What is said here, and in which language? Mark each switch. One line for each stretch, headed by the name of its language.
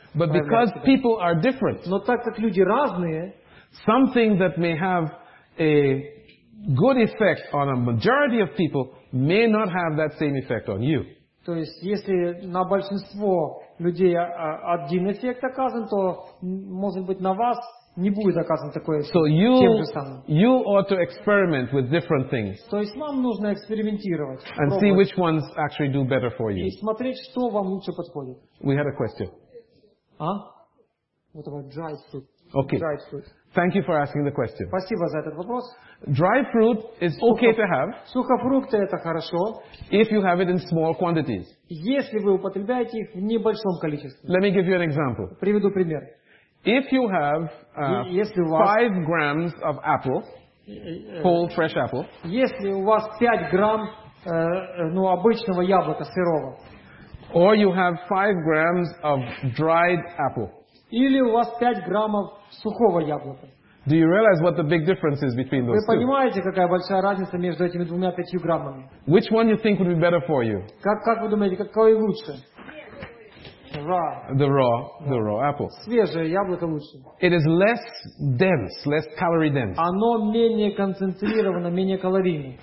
English: But because people are different,
Russian: но так как люди разные,
English: something that may have a good effect on a majority of people may not have that same effect on you.
Russian: То есть, если на большинство людей один эффект оказан, то, может быть, на вас не будет оказан такой эффект.
English: So you ought to experiment with different things.
Russian: То есть, вам нужно экспериментировать.
English: And see which ones actually do better for you.
Russian: И смотреть, что вам лучше подходит.
English: We had a question. What about dried fruit? Okay. Dried fruit. Thank you for asking the question.
Russian: Спасибо за этот вопрос.
English: Dry fruit is okay to have.
Russian: Сухофрукты это хорошо.
English: If you have it in small quantities.
Russian: Если вы употребляете их в небольшом количестве.
English: Let me give you an example.
Russian: Приведу пример.
English: If you have 5 grams of apple, whole fresh apple.
Russian: Если у вас 5 грамм обычного яблока сырого.
English: Or you have 5 grams of dried apple.
Russian: Или у вас 5 граммов сухого яблока.
English: Do you realize what the big difference is between those two?
Russian: Вы понимаете, какая большая разница между этими двумя 5 граммами?
English: Which one you think would be better for you?
Russian: Как вы думаете, какой лучше?
English: The raw apple.
Russian: Свежее яблоко лучше.
English: It is less dense, less calorie dense.
Russian: Оно менее концентрировано, менее калорийно.